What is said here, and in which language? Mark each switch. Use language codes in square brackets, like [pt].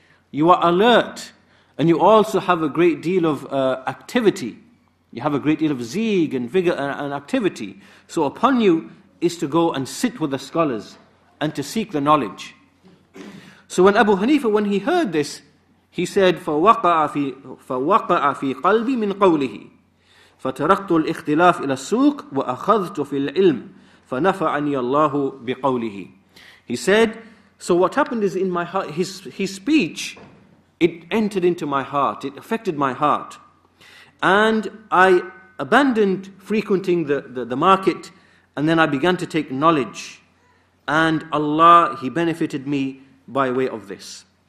[en] You are alert. And you also have a great deal of activity. You have a great deal of zeeg and vigor and activity. So upon you is to go and sit with the scholars and to seek the knowledge. So when Abu Hanifa, when he heard this, he said, [ar] فَوَقَعَ فِي قَلْبِ مِنْ قَوْلِهِ فَتَرَقْتُ الْإِخْتِلَافِ إِلَى السُّوقِ وَأَخَذْتُ فِي الْعِلْمِ فَنَفَعَنِيَ اللَّهُ بِقَوْلِهِ. [en] He said, so what happened is in my heart, his speech, it entered into my heart, it affected my heart. And I abandoned frequenting the market, and then I began to take knowledge. And Allah, He benefited me by way of this.